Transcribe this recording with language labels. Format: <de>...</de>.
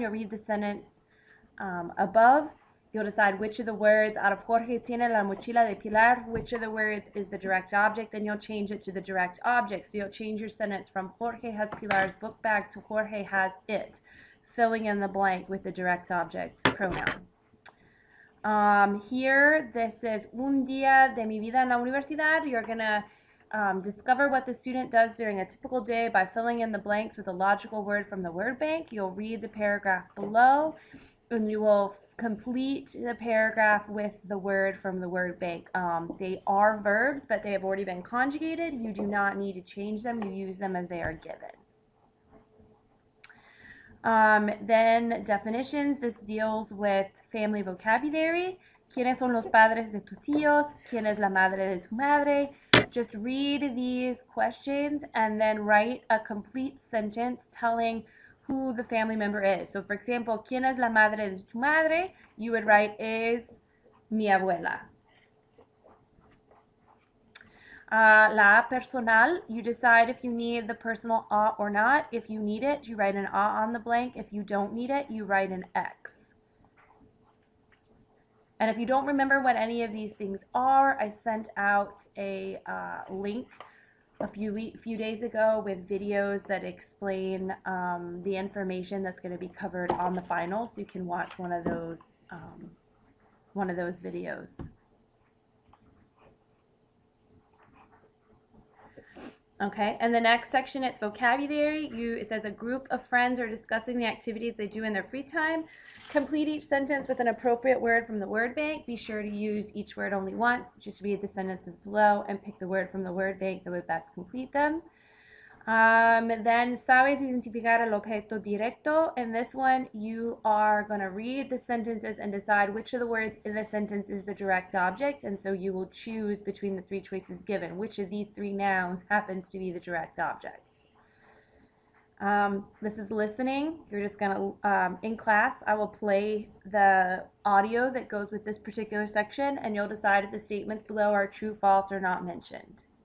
<en>You'll read the sentence above. You'll decide which of the words out of</en> <es>Jorge tiene la mochila de Pilar,</es> <en>which of the words is the direct object. Then you'll change it to the direct object. So you'll change your sentence from Jorge has Pilar's book bag to Jorge has it, filling in the blank with the direct object pronoun. Here, this is</en> <es>un día de mi vida en la universidad.</es> <en>You're gonna discover what the student does during a typical day by filling in the blanks with a logical word from the word bank. You'll read the paragraph below, and you will complete the paragraph with the word from the word bank. They are verbs, but they have already been conjugated. You do not need to change them. You use them as they are given. Then definitions. This deals with family vocabulary.</en> <es>¿Quiénes son los padres de tus tíos? ¿Quién es la madre de tu madre?</es> <en>Just read these questions and then write a complete sentence telling who the family member is. So, for example,</en> <es>¿quién es la madre de tu madre?</es> <en>You would write, is</en> <es>mi abuela.</es> <en>La personal, you decide if you need the personal a or not. If you need it, you write an a on the blank. If you don't need it, you write an X. And if you don't remember what any of these things are, I sent out a link a few days ago with videos that explain the information that's going to be covered on the final, so you can watch one of those videos. Okay, and the next section, it's vocabulary. It says a group of friends are discussing the activities they do in their free time. Complete each sentence with an appropriate word from the word bank. Be sure to use each word only once. Just read the sentences below and pick the word from the word bank that would best complete them.</en> <es>Then, ¿sabes identificar el objeto directo?</es> <en>In this one, you are going to read the sentences and decide which of the words in the sentence is the direct object. And so you will choose between the three choices given, which of these three nouns happens to be the direct object. This is listening. You're just going to, in class, I will play the audio that goes with this particular section, and you'll decide if the statements below are true, false, or not mentioned.</en>